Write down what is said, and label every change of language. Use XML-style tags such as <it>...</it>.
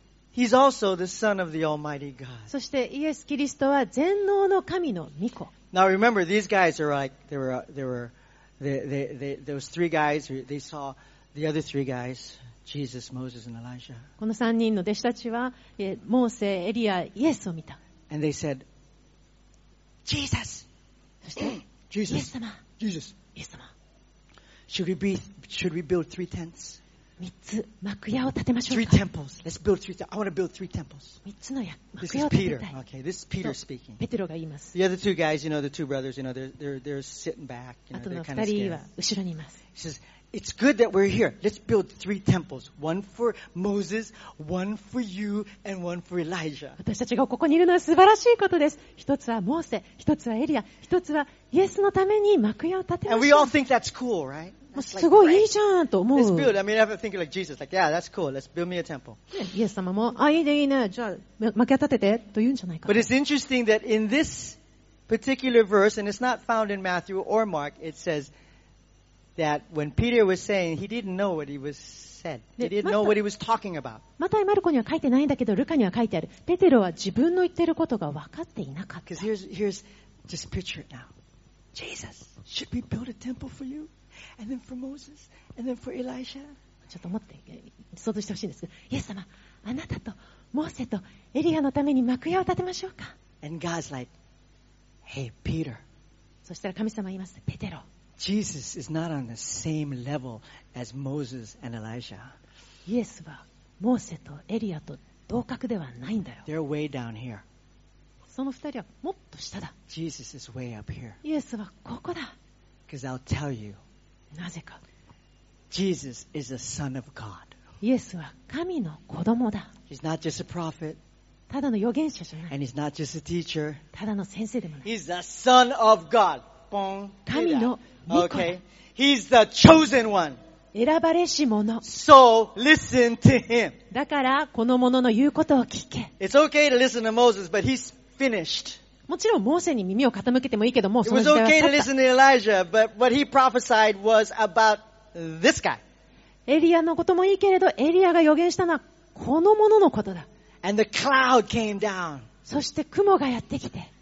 <en>He's also the Son of the Almighty God.</en> <ja>そしてイエスキリストは全能の神の御子。</ja> <en>Now remember, these guys are like they were. Those three guys, they saw the other three guys, Jesus, Moses, and Elijah.</en> <ja>この3人の弟子たちは、モーセ、エリア、イエスを見た。</ja> <en>And they said, Jesus! Jesus! Jesus! Should we build three tents?</en> <ja>3つ幕屋を建てましょうか。</ja> <en>Three temples. Let's build three temples. I want to build three temples.</en> <ja>3つの幕屋を建てたい。</ja> <en>This is Peter. Okay, this is Peter speaking.</en> <ja>ペテロが言います。</ja> <en>The other two guys, you know, the two brothers, you know, they're sitting back. You know, they're kind of scared.</en> <ja>あとの2人は後ろにいます。</ja> <en>He says, it's good that we're here. Let's build three temples. One for Moses, one for you, and one for Elijah.</en> <ja>私たちがここにいるのは素晴らしいことです。一つはモーセ、一つはエリア、一つはイエスのために幕屋を建てます。</ja> <en>And we all think that's cool, right?</en> <ja>すごいいいじゃんと思う。</ja> <en>Let's build. I mean, I have to think like Jesus. Like, yeah, that's cool. Let's build me a temple.</en> <ja>イエス様も、あ、いいね、いいね。じゃあ、巻き立ててと言うんじゃないか。</ja> <en>But it's interesting that in this particular verse, and it's not found in Matthew or Mark, it says that when Peter was saying, he didn't know what he was said. He didn't know what he was talking about.</en> <ja>マタイ・マルコには書いてないんだけど、ルカには書いてある。ペテロは自分の言ってることが分かっていなかった。</ja> <en>Because here's just picture it now. Jesus, should we build a temple for you? And then for Moses, and then for Elijah.</en> <ja>ちょっと待って、想像してほしいんですけど、イエス様、あなたとモーセとエリアのために幕屋を建てましょうか。</ja> <en>And God's like, hey, Peter.</en> <ja>そしたら神様言います、ペテロ。</ja> <en>Jesus is not on the same level as Moses and Elijah.</en> <ja>イエスはモーセとエリアと同格ではないんだよ。</ja> <en>They're way down here.</en> <ja>その二人はもっと下だ。</ja> <en>Jesus is way up here.</en> <ja>イエスはここだ。</ja> <en>Because I'll tell you.</en> <ja>なぜか。</ja> <en>Jesus is the Son of God.</en> <ja>イエスは神の子供だ。</ja> <en>He's not just a prophet.</en> <ja>ただの預言者じゃない。</ja> <en>And he's not just a teacher.</en> <ja>ただの先生でもない。</ja> <en>He's the Son of God.</en> <ja>神の御子。</ja> <en>Okay. He's the chosen one.</en> <ja>選ばれし者。</ja> <en>So listen to him.</en> <ja>だからこの者の言うことを聞け。</ja> <en>It's okay to listen to Moses, but he's finished.</en> <ja>もちろんモーセに耳を傾けてもいいけど、もうその時代は去った。</ja> <en>It was okay to listen to Elijah, but what he prophesied was about this guy.</en> <ja>エリアのこともいいけれど、エリアが予言したのはこの者のことだ。</ja> <en>And the cloud came down.</en> <ja>そして雲がやってきて。</ja>